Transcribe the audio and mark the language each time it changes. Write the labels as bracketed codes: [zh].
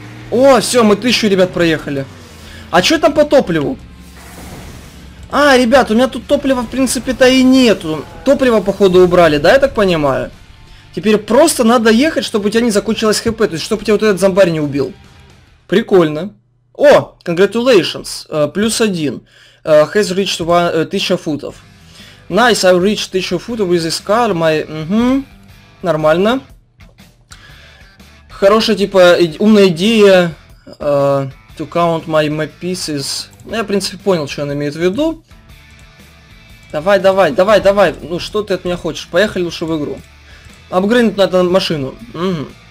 [ru] О, все, мы 1000, ребят, проехали. А что там по топливу? А, ребят, у меня тут топлива, в принципе-то, и нету. Топливо, походу, убрали, да, я так понимаю? Теперь просто надо ехать, чтобы у тебя не закончилось ХП. То есть, чтобы тебя вот этот зомбарь не убил. Прикольно. О, [en] congratulations. [ru] Плюс один. [en] Has reached 1000 [ru] футов. [en] Nice, I've reached 1000 футов with this car. [ru] My... Нормально. Хорошая, типа, умная идея. [en] To count my map pieces. [ru] Ну, я, в принципе, понял, что он имеет в виду. Давай, давай, давай, давай. Ну, что ты от меня хочешь? Поехали лучше в игру. Апгрейдить надо машину. Угу.